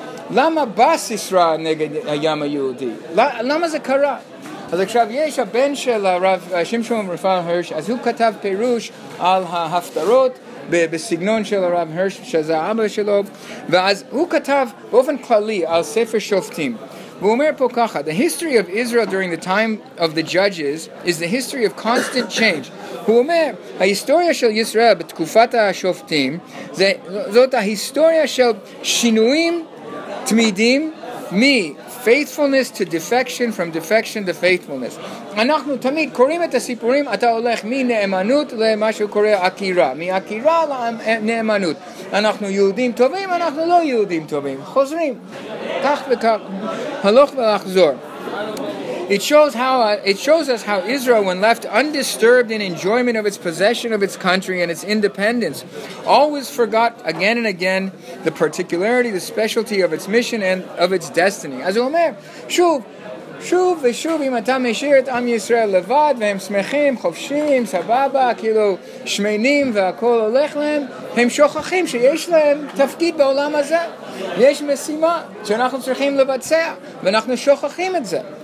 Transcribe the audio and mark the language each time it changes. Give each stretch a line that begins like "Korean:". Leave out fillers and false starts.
Hebrew: למה בא סיסרא נגד הים היהודי? למה זה קרה? אז עכשיו יש הבן של הרב שמשון רפאל הרש, אז הוא כתב פירוש על ההפטרות בסגנון של הרב הרש, שזה אבא שלו, ואז הוא כתב באופן כללי על ספר שופטים. והוא אומר פה ככה,
English: the history of Israel during the time of the judges is the history of constant change.
Hebrew: הוא אומר, ההיסטוריה של ישראל בתקופת השופטים, זאת ההיסטוריה של שינויים תמידים מ-
English: faithfulness to defection, from defection to faithfulness.
Hebrew: אנחנו תמיד קוראים את הסיפורים, אתה הולך מנאמנות למה שקורה עקירה, מעקירה לנאמנות. אנחנו יהודים טובים, אנחנו לא יהודים טובים. חוזרים. כך וכך, הלוך ולחזור.
English: It shows us how Israel, when left undisturbed in enjoyment of its possession of its country and its independence, always forgot again and again the particularity, the specialty of its mission and of its destiny.
Hebrew: אז הוא אומר, שוב ושוב, אם אתה משאיר את עם ישראל לבד והם שמחים, חופשים, סבבה, כאילו שמנים והכל הולך להם, הם שוכחים שיש להם תפקיד בעולם הזה. יש משימה שאנחנו צריכים לבצע, ואנחנו שוכחים את זה.